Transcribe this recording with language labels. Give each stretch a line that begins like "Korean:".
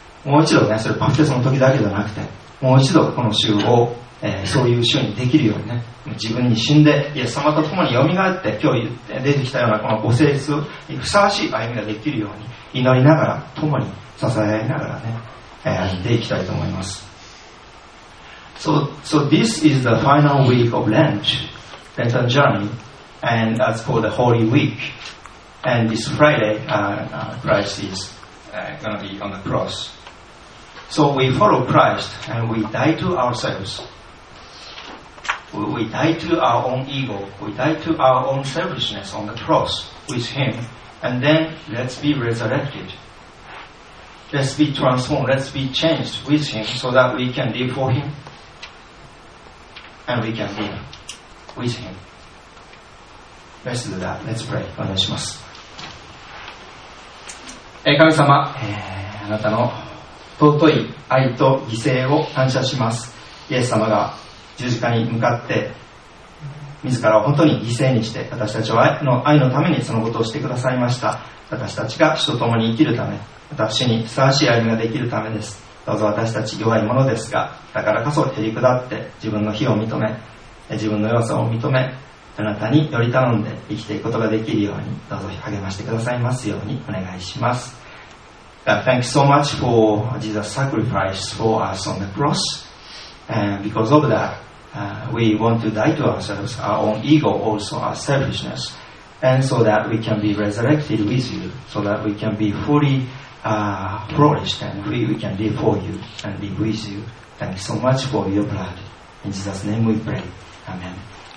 Japanese: もう一度ね、それバプテスの時だけじゃなくて、もう一度この週をそういう主にできるようにね、自分に死んでイエス様と共によみがえって、今日出てきたようなこのご聖室にふさわしい歩みができるように祈りながら、共に支え合いながらね、歩んでいきたいと思います。
English: So this is the final week of Lent, Lenten journey, and that's called the Holy Week. And this Friday, Christ is going to be on the cross. So we follow Christ and we die to ourselves. We die to our own ego. We die to our own selfishness on the cross with Him. And then let's be resurrected. Let's be transformed. Let's be changed with Him so that we can live for Him. And we can live with Him. Let's do that. Let's pray.
Japanese: お願いします。神様、あなたの尊い愛と犠牲を感謝します。イエス様が十字架に向かって自らを本当に犠牲にして私たちの愛のためにそのことをしてくださいました。私たちが主と共に生きるため、私にふさわしい歩みができるためです。どうぞ私たち弱いものですが、だからこそ減り下って自分の非を認め、自分の弱さを認め、あなたにより頼んで生きていくことができるように、どうぞ励ましてくださいますようにお願いします。
English: God, thank you so much for Jesus' sacrifice for us on the cross. And because of that, we want to die to ourselves, our own ego, also our selfishness, and so that we can be resurrected with you, so that we can be fully flourished and we can live for you and live with you. Thank you so much for your blood. In Jesus' name we pray. Amen.